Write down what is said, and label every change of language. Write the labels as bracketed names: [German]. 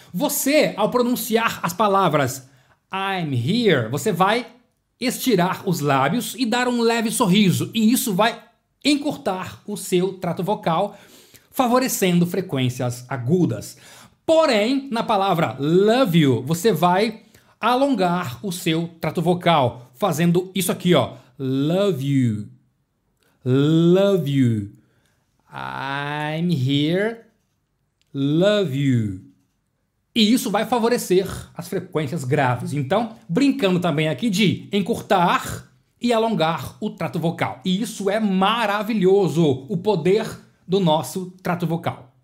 [Portuguese] Você, ao pronunciar as palavras I'm here, você vai estirar os lábios e dar um leve sorriso. E isso vai encurtar o seu trato vocal, favorecendo frequências agudas. Porém, na palavra love you, você vai alongar o seu trato vocal, fazendo isso aqui, ó. [English] Love you, love you, I'm here, love you. [Portuguese] E isso vai favorecer as frequências graves. Então, brincando também aqui de encurtar e alongar o trato vocal. E isso é maravilhoso, o poder do nosso trato vocal.